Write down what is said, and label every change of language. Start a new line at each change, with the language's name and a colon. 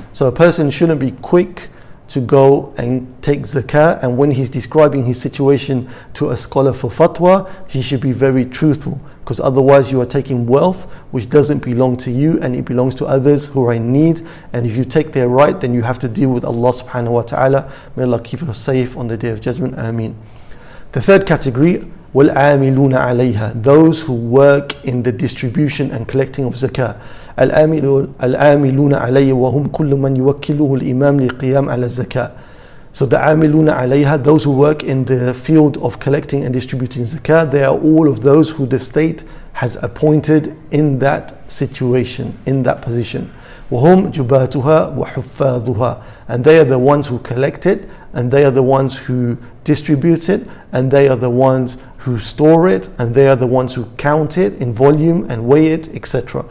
English: So a person shouldn't be quick to go and take zakah, and when he's describing his situation to a scholar for fatwa, he should be very truthful, because otherwise you are taking wealth which doesn't belong to you and it belongs to others who are in need. And if you take their right, then you have to deal with Allah subhanahu wa ta'ala. May Allah keep us safe on the Day of Judgment. Ameen. The third category,
Arabic: والعاملون عليها,
English: those who work in the distribution and collecting of zakah.
Arabic: العاملون عليها وهم كل من يوكله الإمام للقيام على الزكاة.
English: So the
Arabic: عاملون عليها,
English: those who work in the field of collecting and distributing zakah, they are all of those who the state has appointed in that situation, in that position.
Arabic: وهم جباتها وحفاظها,
English: and they are the ones who collect it, and they are the ones who distribute it, and they are the ones who store it, and they are the ones who count it in volume and weigh it, etc.